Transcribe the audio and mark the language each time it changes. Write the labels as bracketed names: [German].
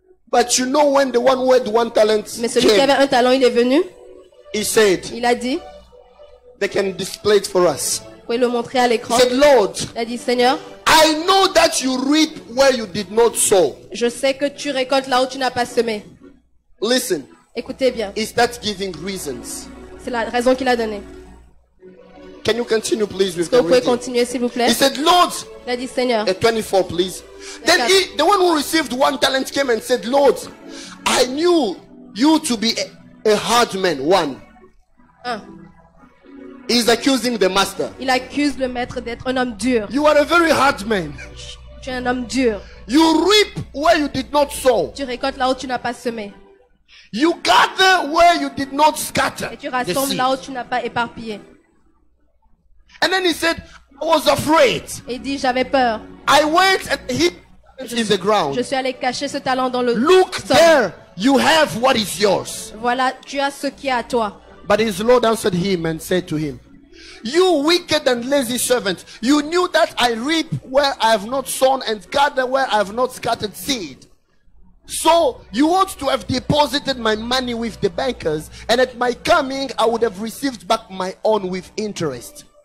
[English] But you know when the one who had 1 talent. [French] Mais celui [English] came, [French] qui avait 1 talent, il est venu. [English] He said. [French] Il a dit. [English] They can display it for us. [French] Pouvez le montrer à l'écran. [English] He said, Lord. [French] Il a dit, Seigneur. [English] I know that you reap where you did not sow. [French] Je sais que tu récoltes là où tu n'as pas semé. [English] Listen. [French] Écoutez bien. [English] He starts giving reasons. [French] C'est la raison qu'il a donnée. [English] Can you continue, please, with the reading? [French] Pouvez continuer, s'il vous plaît? [English] He said, Lord. [French] Il a dit, Seigneur. [English] 24, please. Then the one who received one talent came and said, Lord, I knew you to be a hard man. One. He's accusing the master. [French] Il accuse le maître d'être un homme dur. [English] You are a very hard man. [French] Tu es un homme dur. [English] You reap where you did not sow. [French] Tu récoltes là où tu n'as pas semé. [English] You gather where you did not scatter. [French] Et tu rassembles là où tu n'as pas éparpillé. [English] And then he said, I was afraid. [French] Et il dit, j'avais peur. [English] I went and hid in the ground. [French] Je suis allé cacher ce talent dans le sol. [English] Look there, you have what is yours. [French] Voilà, tu as ce qui est à toi. [English] But his Lord answered him and said to him, you wicked and lazy servant, you knew that I reap where I have not sown and gather where I have not scattered seed. So you ought to have deposited my money with the bankers, and at my coming I would have received back my own with interest.